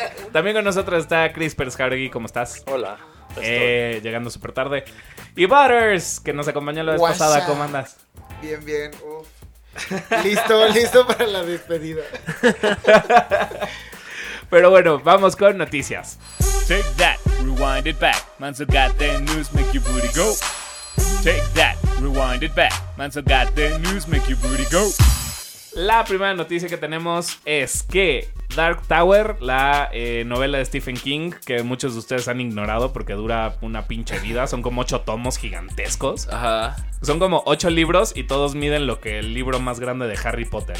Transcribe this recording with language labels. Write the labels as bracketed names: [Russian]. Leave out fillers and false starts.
[Spanish] también con nosotros está Crisper Jauregui, ¿cómo estás? Hola. Llegando súper tarde. Y Butters, que nos acompañó la vez pasada, ¿cómo andas? Bien, bien, listo para la despedida. Pero bueno, vamos con noticias. [English] Take that, rewind it back. Manso got the news, make your booty go. Take that, rewind it back. Manso got the news, make your booty go. [Spanish] La primera noticia que tenemos es que Dark Tower, la novela de Stephen King, que muchos de ustedes han ignorado porque dura una pinche vida, son como 8 tomos gigantescos. Ajá. Son como 8 libros y todos miden lo que el libro más grande de Harry Potter.